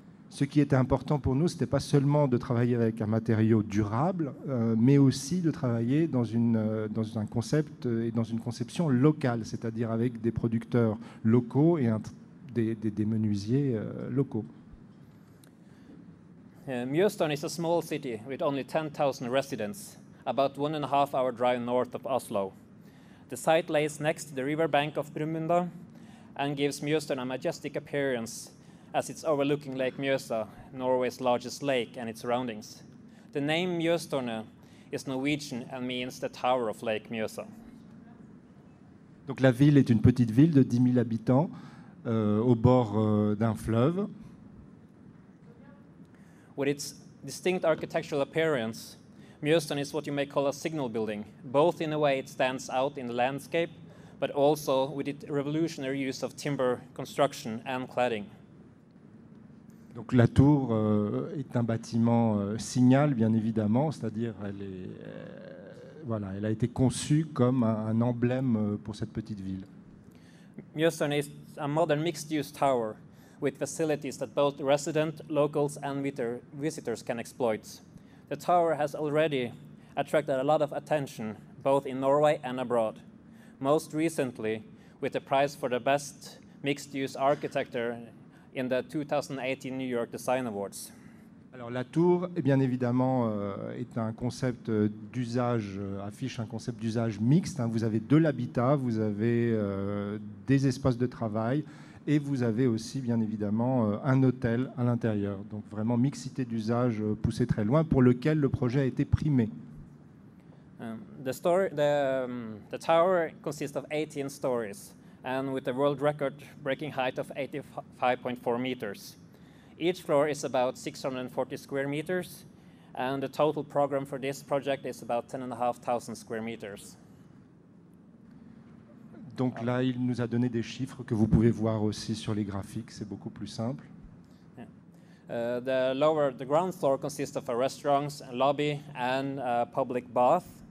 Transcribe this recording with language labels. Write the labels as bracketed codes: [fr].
[fr] Ce qui était important pour nous, c'était pas seulement de travailler avec un matériau durable, mais aussi de travailler dans dans un concept et dans une conception locale, c'est-à-dire avec des producteurs locaux et des menuisiers locaux. [en] Mjøstene is a small city with only 10,000 residents, about 1.5 hour drive north of Oslo. The site lays next to the riverbank of Brumunddal and gives Mjøstene a majestic appearance as it's overlooking Lake Mjøsa, Norway's largest lake, and its surroundings. The name Mjøstene is Norwegian and means the tower of Lake Mjøsa. [fr] Donc la ville est une petite ville de 10 000 habitants au bord d'un fleuve. [en] With its distinct architectural appearance, Mjøstene is what you may call a signal building, both in a way it stands out in the landscape, but also with its revolutionary use of timber construction and cladding. [fr] Donc la tour est un bâtiment signal, bien évidemment, c'est-à-dire elle a été conçue comme un emblème pour cette petite ville. [en] Mjøstene is a modern mixed-use tower, with facilities that both residents, locals, and visitors can exploit. The tower has already attracted a lot of attention, both in Norway and abroad. Most recently, with the prize for the best mixed-use architect in the 2018 New York Design Awards. [fr] Alors la tour, bien évidemment, est un concept d'usage, affiche un concept d'usage mixte. Vous avez de l'habitat, vous avez des espaces de travail, et vous avez aussi, bien évidemment, un hôtel à l'intérieur. Donc vraiment mixité d'usage poussée très loin, pour lequel le projet a été primé. [en] The tower consists of 18 stories, and with a world record breaking height of 85.4 meters. Each floor is about 640 square meters, and the total program for this project is about 10,500 square meters. [fr] Donc là, il nous a donné des chiffres que vous pouvez voir aussi sur les graphiques. C'est beaucoup plus simple. [en] The ground floor consists of a restaurant, a lobby, and a public bath.